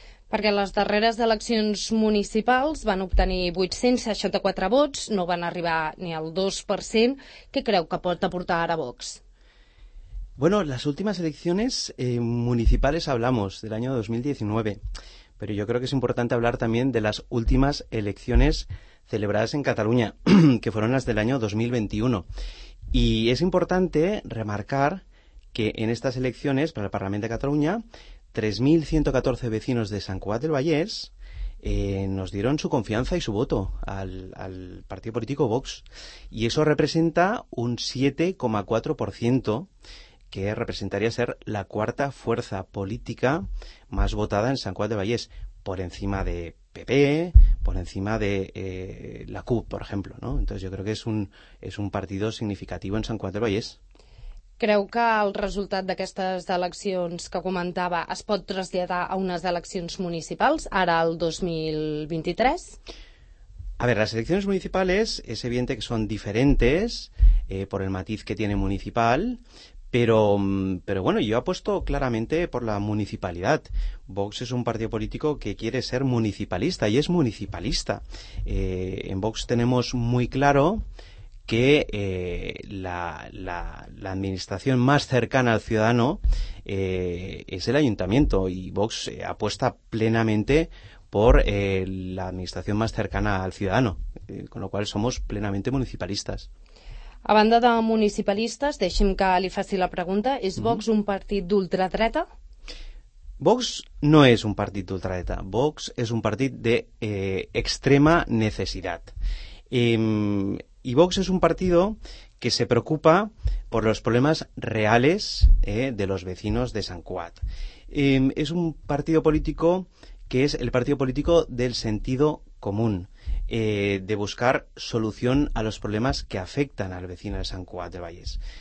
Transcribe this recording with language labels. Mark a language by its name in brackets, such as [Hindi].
[Catalan] Perquè les darreres eleccions municipals van obtenir 864 vots, no van arribar ni al 2%. Què creu que pot aportar ara Vox? [Spanish] Bueno, las últimas elecciones municipales hablamos del año 2019, pero yo creo que es importante hablar también de las últimas elecciones celebradas en Cataluña, que fueron las del año 2021. Y es importante remarcar que en estas elecciones para el Parlamento de Cataluña, 3.114 vecinos de Sant Cugat del Vallès nos dieron su confianza y su voto al partido político Vox. Y eso representa un 7,4%, que representaría ser la cuarta fuerza política más votada en Sant Cugat del Vallès, por encima de PP, por encima de la CUP, por ejemplo, ¿no? Entonces yo creo que es un partido significativo en Sant Cugat del Vallès. [Catalan] Creu que el resultat d'aquestes eleccions que comentava es pot traslladar a unes eleccions municipals, ara el 2023? [Spanish] A ver, las elecciones municipales es evidente que son diferentes por el matiz que tiene municipal, pero bueno, yo apuesto claramente por la municipalidad. Vox es un partido político que quiere ser municipalista y es municipalista. En Vox tenemos muy claro que la administración más cercana al ciudadano es el ayuntamiento, y Vox apuesta plenamente por la administración más cercana al ciudadano, con lo cual somos plenamente municipalistas. [Catalan] A banda de municipalistes, deixi'm que li faci la pregunta, és Vox un partit d'ultradreta? Vox no és un partit d'ultradreta, Vox és un partit d'extrema necessitat. [Spanish] Y Vox es un partido que se preocupa por los problemas reales de los vecinos de Sant Cugat. Es un partido político que es el partido político del sentido común, de buscar solución a los problemas que afectan al vecino de Sant Cugat del Vallès.